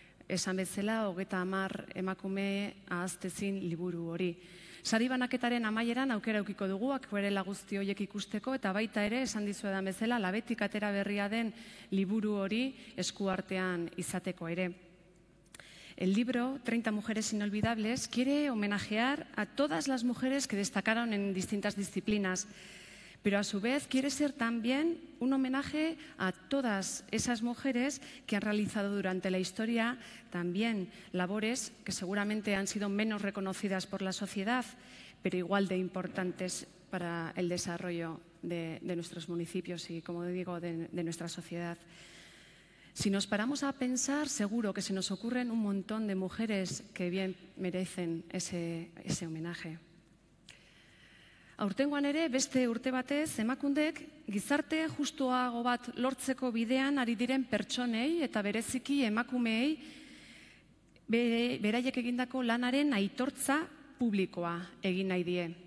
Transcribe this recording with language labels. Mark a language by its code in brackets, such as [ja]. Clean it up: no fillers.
[eu] Esan bezala, 30 emakume ahaztezin liburu hori. Sari banaketaren amaieran aukera edukiko dugu akuarela guzti horiek ikusteko eta baita ere esan dizuedan bezala labetik atera berria den liburu hori eskuartean izateko ere. [es] El libro 30 mujeres inolvidables quiere homenajear a todas las mujeres que destacaron en distintas disciplinas, pero a su vez quiere ser también un homenaje a todas esas mujeres que han realizado durante la historia también labores que seguramente han sido menos reconocidas por la sociedad, pero igual de importantes para el desarrollo de nuestros municipios y, como digo, de nuestra sociedad. Si nos paramos a pensar, seguro que se nos ocurren un montón de mujeres que bien merecen ese homenaje. [eu] Aurtengoan ere, beste urte batez, emakundek gizarte justuago bat lortzeko bidean ari diren pertsonei eta bereziki emakumeei beraiek egindako lanaren aitortza publikoa egin nahi die.